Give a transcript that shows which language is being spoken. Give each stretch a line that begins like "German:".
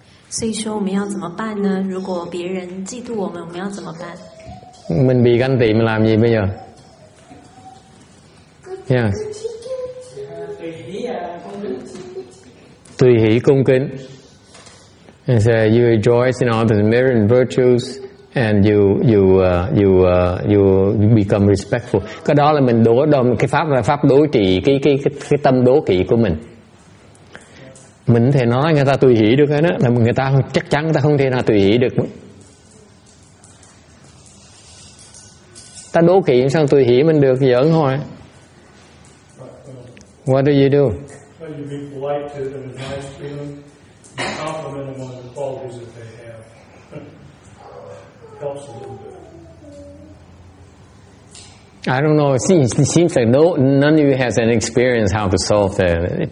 Chinese: 所以说我们要怎么办呢？如果别人嫉妒我们，我们要怎么办？
Vietnamese: Mình bị ganh tị mình làm gì bây giờ? Yeah. Tùy hỷ cung kính.
English: And so you rejoice in all the merit and virtues, and you become respectful.
Vietnamese: Cái đó là mình cái pháp đối trị cái tâm đố kỵ của mình. Mình có thể nói người ta tùy hỷ được hết đó, là người ta chắc chắn người ta không thể nào tùy hỷ được. Ta đố kỵ sao tùy hỷ mình được, giỡn thôi.
English: What do you do? You be polite to them and nice to them. You compliment them on the qualities that they have. Helps a little bit. I don't know. Seems like no, none of you has an experience how to solve that.